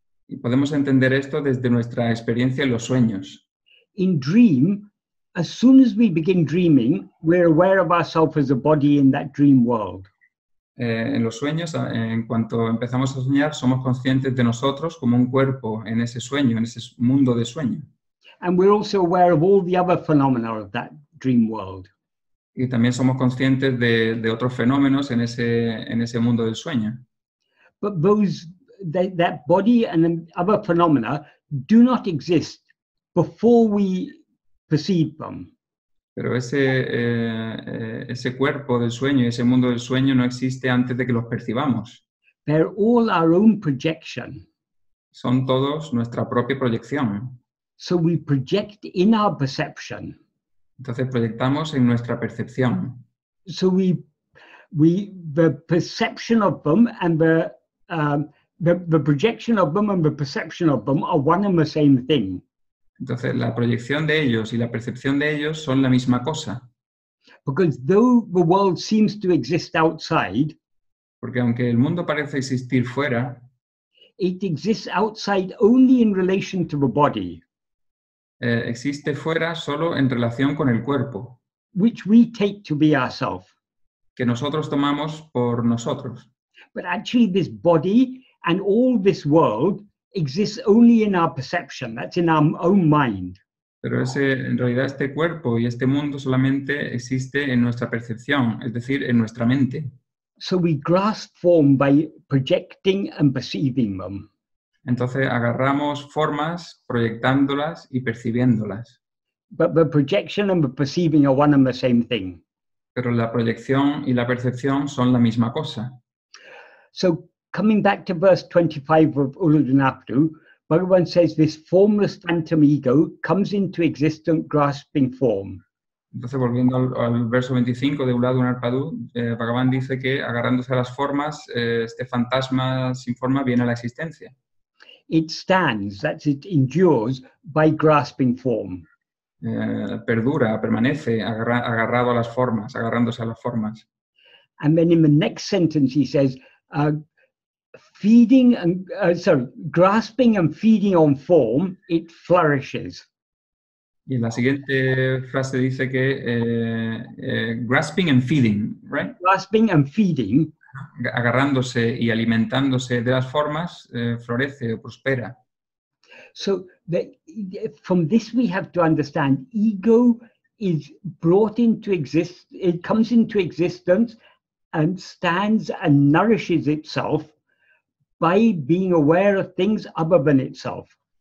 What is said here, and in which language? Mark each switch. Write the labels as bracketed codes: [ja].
[es] Y podemos entender esto desde nuestra experiencia en los sueños. [en] In dream, as soon as we begin dreaming, we're aware of ourselves as a body in that dream world. [es] En los sueños, en cuanto empezamos a soñar, somos conscientes de nosotros como un cuerpo en ese sueño, en ese mundo de sueño. [en] And we're also aware of all the other phenomena of that dream world. [es] Y también somos conscientes de otros fenómenos en ese mundo del sueño. [en] But those, that body and other phenomena do not exist before we perceive them. [es] Pero ese cuerpo del sueño, ese mundo del sueño no existe antes de que los percibamos. [en] They're all our own projection. [es] Son todos nuestra propia proyección. [en] So we project in our perception. [es] Entonces proyectamos en nuestra percepción. [en] So we the perception of them and the projection of them and the perception of them are one and the same thing. [es] Entonces, la proyección de ellos y la percepción de ellos son la misma cosa. [en] Because though the world seems to exist outside, [es] porque aunque el mundo parece existir fuera, [en] it exists outside only in relation to the body. [es] Existe fuera solo en relación con el cuerpo, [en] which we take to be ourself, [es] que nosotros tomamos por nosotros. [en] But actually this body and all this world exists only in our perception, that's in our own mind. [es] Pero en realidad este cuerpo y este mundo solamente existe en nuestra percepción, es decir, en nuestra mente. [en] So we grasp form by projecting and perceiving them. [es] Entonces agarramos formas proyectándolas y percibiéndolas. [en] But the projection and the perceiving are one and the same thing. [es] Pero la proyección y la percepción son la misma cosa. [en] So coming back to verse 25 of Uludhunaptu, Bhagavan says this formless phantom ego comes into existence grasping form. [es] Entonces, volviendo al verso 25 de Uludhunaptu, Bhagavan dice que agarrándose a las formas, este fantasma sin forma viene a la existencia. [en] It stands, that it endures by grasping form. [es] Perdura, permanece agarrado a las formas, agarrándose a las formas. [en] And then in the next sentence he says, feeding and grasping and feeding on form, it flourishes. [es] Y la siguiente frase dice que [en] grasping and feeding, right? Grasping and feeding, [es] agarrándose y alimentándose de las formas, florece o prospera. [en] So from this we have to understand ego is brought into existence, it comes into existence and stands and nourishes itself by being aware of things other than itself.